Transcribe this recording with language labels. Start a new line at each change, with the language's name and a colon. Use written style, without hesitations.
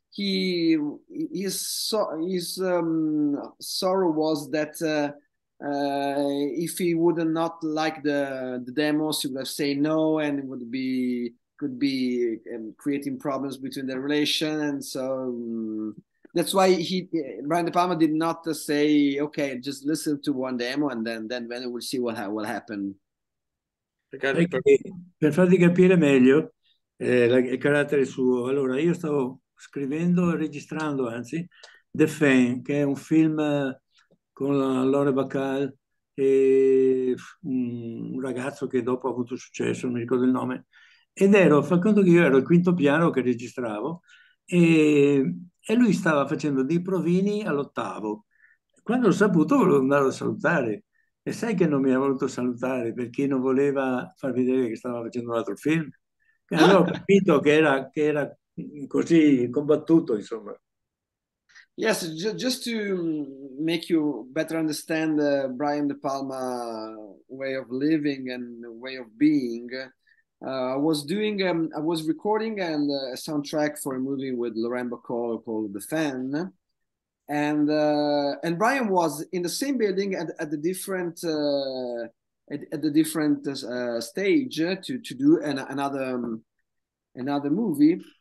English: His sorrow was that if he would not like the demos, he would have said no, and it could be creating problems between the relation, and so that's why Brian De Palma did not say okay, just listen to one demo, and then we'll see what will happen.
Italian: Perché, per farti capire meglio il carattere suo, allora io stavo scrivendo e registrando, anzi, The Fan, che è un film con Laure Bacall e un ragazzo che dopo ha avuto successo, non mi ricordo il nome, ed ero, fa conto che io ero al quinto piano che registravo e lui stava facendo dei provini all'ottavo. Quando l'ho saputo volevo andare a salutare. E sai che non mi ha voluto salutare perché non voleva far vedere che stava facendo un altro film? Avevo capito che era così combattuto, insomma.
English: Yes, just to make you better understand Brian De Palma way of living and way of being, I was recording and a soundtrack for a movie with Laurent Boccolo called The Fan, and Brian was in the same building at the different stage to do another movie.